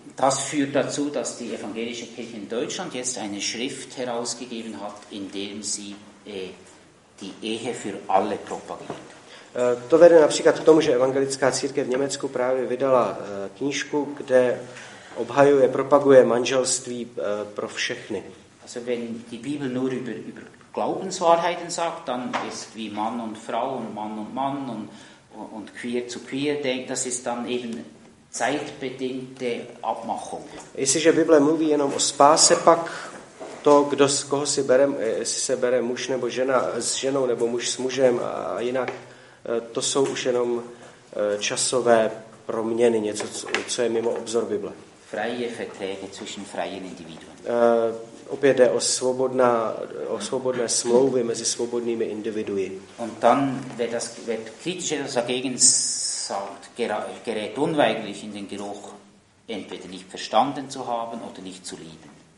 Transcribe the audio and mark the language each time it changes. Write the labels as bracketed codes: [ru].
[de] Das führt dazu, dass die evangelische Kirche in Deutschland jetzt eine Schrift herausgegeben hat, in dem sie die Ehe für alle propagiert. [cs] To vede například k tomu, že evangelická církev v Německu právě vydala knížku, kde obhajuje, propaguje manželství pro všechny. [de] Also wenn die Bibel nur über Glaubenswahrheiten sagt, dann ist wie Mann und Frau und Mann und Mann und Queer zu Queer denkt, das ist dann eben zeitbedingte Abmachung. [cs] Jestliže Bible mluví jenom o spáse, pak to, kdo z koho si bere, jestli se bere muž nebo žena s ženou nebo muž s mužem a jinak, to jsou už jenom časové proměny, něco, co je mimo obzor Bible. [de] Freie Verträge zwischen freien Individuen. [cs] Opět jde o svobodné smlouvy mezi svobodnými individui. [de] Und dann wird kritisch dagegen sagt, gerät unweigerlich in den Geruch, entweder nicht verstanden zu haben oder nicht zu lieben.